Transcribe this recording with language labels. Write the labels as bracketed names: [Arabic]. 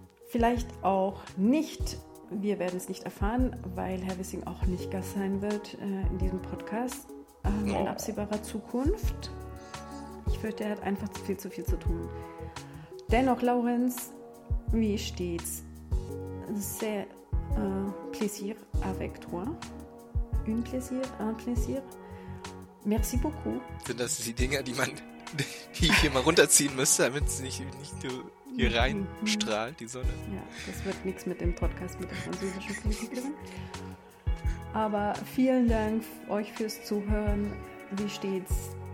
[German] Vielleicht auch nicht. Wir werden es nicht erfahren, weil Herr Wissing auch nicht Gast sein wird in diesem Podcast in absehbarer Zukunft. Ich fürchte, er hat einfach zu viel zu tun. Dennoch, Laurenz, wie steht's? [French] C'est un plaisir avec toi. Un plaisir, un plaisir. Merci beaucoup. [German] Sind das die Dinger, die ich hier mal runterziehen müsste, damit es nicht nur hier reinstrahlt, die Sonne? Ja, das wird nichts mit dem Podcast mit der französischen Politik. Aber vielen Dank euch fürs Zuhören. Wie steht's?